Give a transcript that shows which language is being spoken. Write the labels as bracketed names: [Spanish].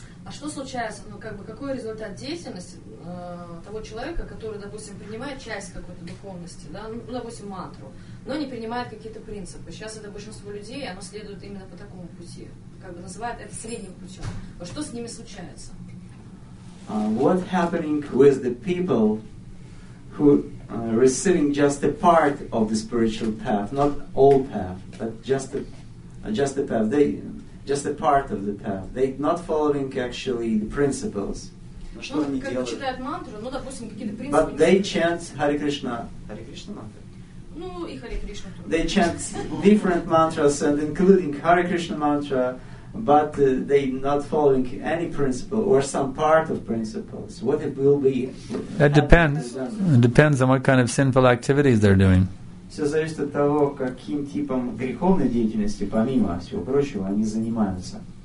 [Russian] Что случается, ну как бы какой результат деятельности того человека, который, допустим, принимает часть какой-то духовности, да, ну, допустим, мантру, но не принимает какие-то принципы. Сейчас это большинство людей, оно следует именно по такому пути, как бы называют это средним путем. Вот что с ними случается? [English] What happening with the people who receiving just a part of the spiritual path, not all path, but just the path? They just a part of the path. They not following actually the principles. But they chant Hare Krishna. Hare Krishna mantra. [Russian] Ну и Hare Krishna. [English] They chant different mantras and including Hare Krishna mantra but they not following any principle or some part of principles, what it will be? That depends. It depends on what kind of sinful activities they're doing. [Russian] Все зависит от того, каким типом греховной деятельности, помимо всего прочего, они занимаются.